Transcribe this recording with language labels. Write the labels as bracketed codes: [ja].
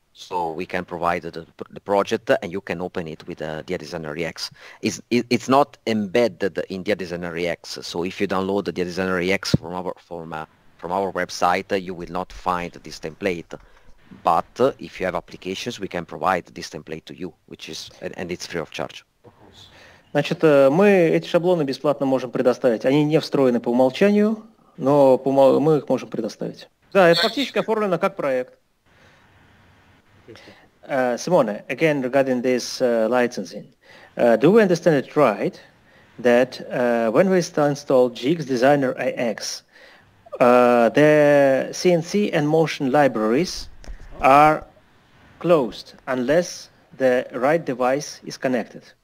[en] So we can provide the project and you can open it with DIADesigner-AX. It's not embedded in DIADesigner-AX. So if you download the DIADesigner-AX from our website, you will not find this template. But if you have applications, we can provide this template to you, and it's free of charge. [ru] Значит, мы эти шаблоны бесплатно можем предоставить. Они не встроены по умолчанию, но мы их можем предоставить. Да, это фактически оформлено как проект. [en] Simone, again regarding this licensing, do we understand it right that when we install Jigs Designer AX, the CNC and motion libraries are closed unless the right device is connected?